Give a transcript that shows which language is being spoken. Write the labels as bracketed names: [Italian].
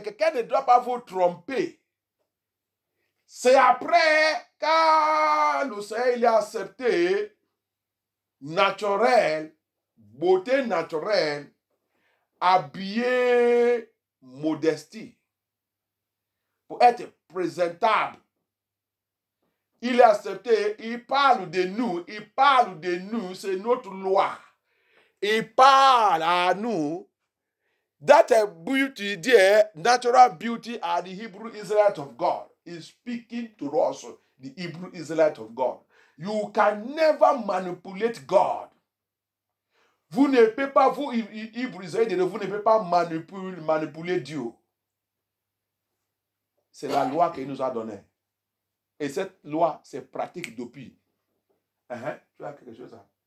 [French] Quelqu'un ne doit pas vous tromper. C'est après, quand le Seigneur il a accepté, naturel, beauté naturelle, habillé, modestie. pour être présentable. Il est accepté, il parle de nous, c'est notre loi. Il parle à nous. [English] That beauty there, natural beauty are the Hebrew Israelites of God. He's speaking to us, the Hebrew Israelites of God. You can never manipulate God. [French] Vous ne pouvez pas, vous, Hebrew Israelites, vous ne pouvez pas manipuler Dieu. C'est la loi qu'il nous a donnée. Et cette loi, c'est pratique depuis. Tu as quelque chose à...